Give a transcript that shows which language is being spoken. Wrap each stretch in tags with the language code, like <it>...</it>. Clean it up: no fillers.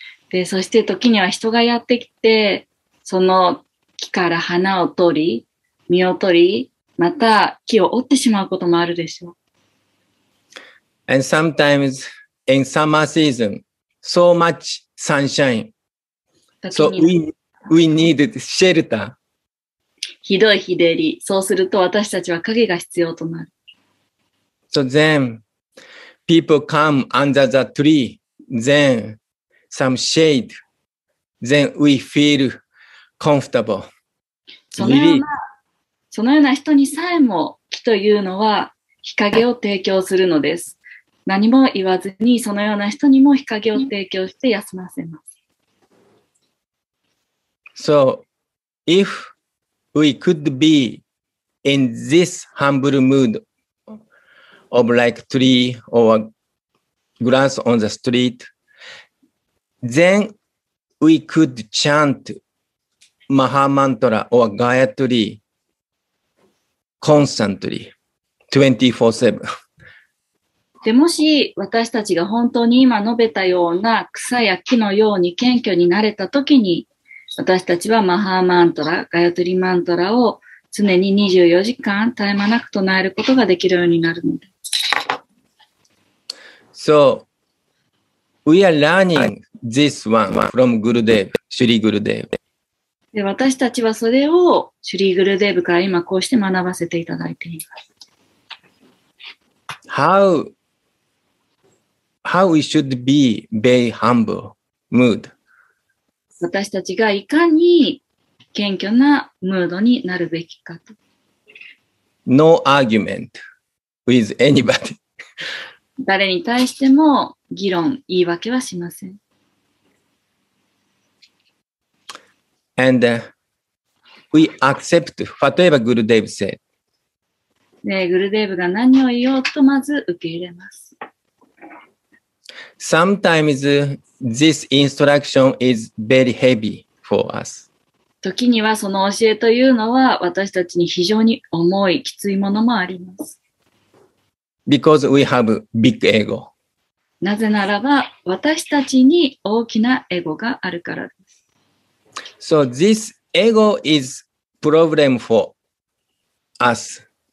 <ja>で、そして時には人がやってきて、その木から花を取り、実を取り、また木を折ってしまうこともあるでしょう。</ja> <en>And sometimes in summer season, so much sunshine. So we need shelter.</en> <ja>ひどい日照り、そうすると私たちは影が必要となる。</ja> <en>So then, people come under the tree, then some shade, then we feel comfortable.</en> <ja>そのような人にさえも木というのは日陰を提供するのです。何も言わずにそのような人にも日陰を提供して休ませます。</ja> <en>So, if we could be in this humble mood of like tree or grass on the street, then we could chantマハマントラ or ガヤトリー constantly 24/7</en> <ja>でもし私たちが本当に今述べたような草や木のように謙虚になれた時に私たちはマハマントラガヤトリマントラを常に24時間絶え間なく唱えることができるようになるのです</ja> <en>So We are learning this one from Gurudev, Shri Gurudev.</en> <ja>で、私たちはそれをシュリー・グルデーブから今こうして学ばせていただいています。</ja> <en>How we should be very humble mood?</en> <ja>私たちがいかに謙虚なムードになるべきかと。</ja> <en>No argument with anybody.</en> <ja>誰に対しても議論、言い訳はしません。</ja> <en>And we accept,</en> <ja>例えば</ja> <en>グルデーブ said.</en> <ja>で、グルデーブが何を言おうとまず受け入れます。</ja> <en>Sometimes this instruction is very heavy for us.</en> <ja>時にはその教えというのは私たちに非常に重い、きついものもあります。</ja> <en>Because we have big ego.</en> <ja>なぜならば私たちに大きなエゴがあるからです。</ja> <en>So this ego is problem for us.</en>